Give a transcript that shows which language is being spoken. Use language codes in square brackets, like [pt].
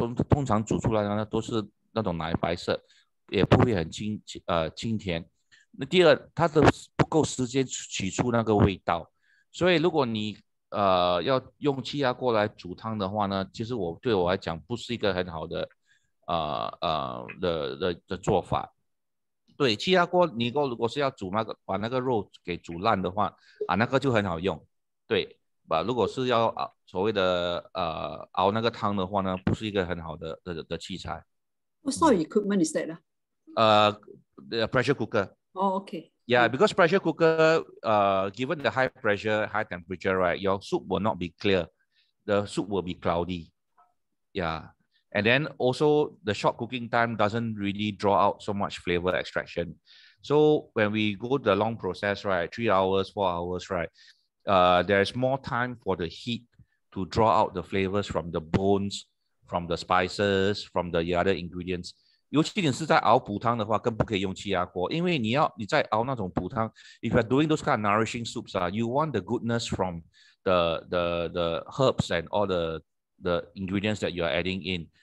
[zh] 通常煮出来的呢都是那种奶白色，也不会很清甜。那第二，它的不够时间取出那个味道，所以如果你 要用气压锅来煮汤的话呢，其实我对我来讲不是一个很好的做法。对，气压锅你如果是要煮那个把那个肉给煮烂的话，那个就很好用。对把如果是要所谓的熬那个汤的话呢，不是一个很好 的器材。 [en] What sort of equipment is that? Pressure cooker. Oh, okay. Yeah, because pressure cooker, given the high pressure, high temperature, right, your soup will not be clear. The soup will be cloudy. Yeah. And then also the short cooking time doesn't really draw out so much flavor extraction. So when we go to the long process, right, 3 hours, 4 hours, right, there is more time for the heat to draw out the flavors from the bones, from the spices, from the other ingredients. [zh] 尤其你是在熬补汤的话，更不可以用气压锅，因为你在熬那种补汤。 [en] If you're doing those kind of nourishing soups, you want the goodness from the herbs and all the ingredients that you are adding in.